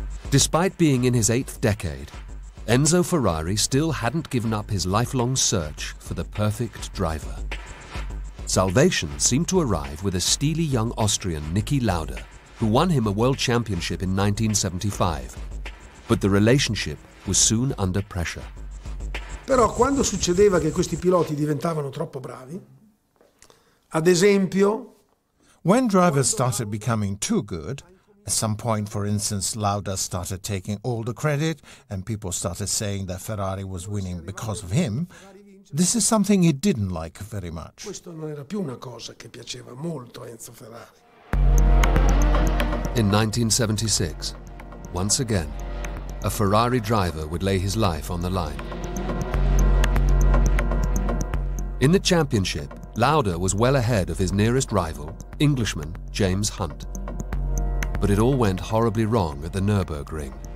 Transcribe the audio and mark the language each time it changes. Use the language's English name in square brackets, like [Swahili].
[English] Despite being in his eighth decade, Enzo Ferrari still hadn't given up his lifelong search for the perfect driver. Salvation seemed to arrive with a steely young Austrian, Niki Lauda, who won him a world championship in 1975. But the relationship was soon under pressure. [Italian] Però quando succedeva che questi piloti diventavano troppo bravi, ad esempio, [English] when drivers started becoming too good, at some point, for instance, Lauda started taking all the credit and people started saying that Ferrari was winning because of him, this is something he didn't like very much. [Italian] Questo non era più una cosa che piaceva molto a Enzo Ferrari. [English] In 1976, once again, a Ferrari driver would lay his life on the line. In the championship, Lauda was well ahead of his nearest rival, Englishman James Hunt. But it all went horribly wrong at the Nürburgring.